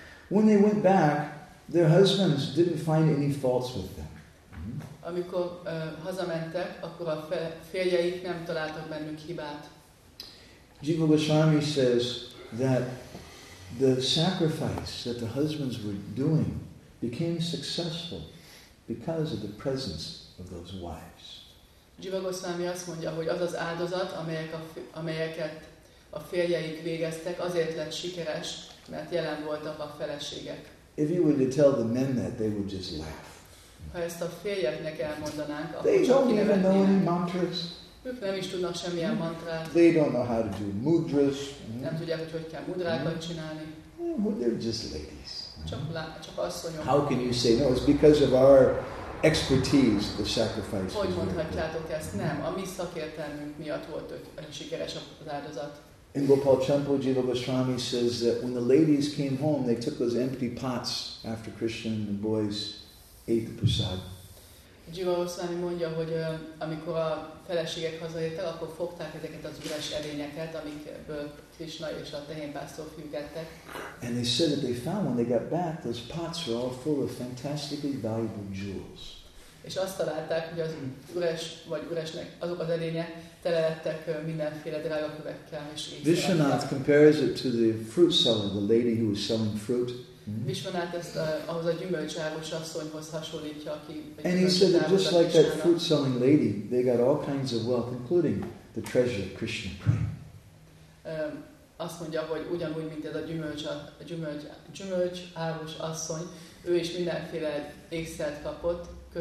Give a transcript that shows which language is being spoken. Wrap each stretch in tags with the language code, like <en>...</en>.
<en>When they went back, their husbands didn't find any faults with them.</en> <hu>Amikor hazamentek, akkor a férjeik nem találtak bennük hibát.</hu> <en>Jiva Goswami says that the sacrifice that the husbands were doing became successful because of the presence of those wives.</en> <hu>Jiva Goswami azt mondja, hogy az az áldozat, amelyeket a férjeik végeztek, azért lett sikeres, mert jelen voltak a feleségek.</hu> <en>If you were to tell the men that, they would just laugh.</en> <hu>Ha ezt a férjeknek elmondanánk,</hu> <en>they don't even know any mantras.</en> <hu>Ők nem is tudnak semmilyen mantrát.</hu> <en>They don't know how to do mudras.</en> <hu>Nem tudják, hogy kell mudrákat csinálni.</hu> <en>Well, they're just ladies.</en> <hu>Csak asszonyok.</hu> <en>How can you say no? It's because of our expertise, the sacrifice.</en> <hu>Hogy mondhatjátok ezt? Nem, a mi szakértelmünk miatt volt sikeres az áldozat.</hu> <en>In Gopal Champo, Jiva Goswami says that when the ladies came home, they took those empty pots after Krishna and the boys ate the prasad.</en> <hu>Jiva Goswami mondja, hogy amikor a feleségek hazajöttek, akkor fogták ezeket az üres edényeket, amikből Krishna és a tehénpásztor fiúk ettek.</hu> <en>And they said that they found when they got back, those pots were all full of fantastically valuable jewels.</en> <hu>És azt találták, hogy az üres vagy üresnek azok az edények tele lettek mindenféle drága kövekkel és ékszerekkel.</hu> <en>Vishwanath compares it to the fruit seller, the lady who was selling fruit.</en> <hu>Vishwanath ezt ahhoz a gyümölcsáros asszonyhoz hasonlítja, aki.</hu> <en>And he said that just like that fruit selling lady, they got all kinds of wealth, including the treasure of Krishna Prem.</en> <hu>Azt mondja, hogy ugyanúgy mint ez a gyümölcsáros asszony, ő is mindenféle ékszert kapott.</hu>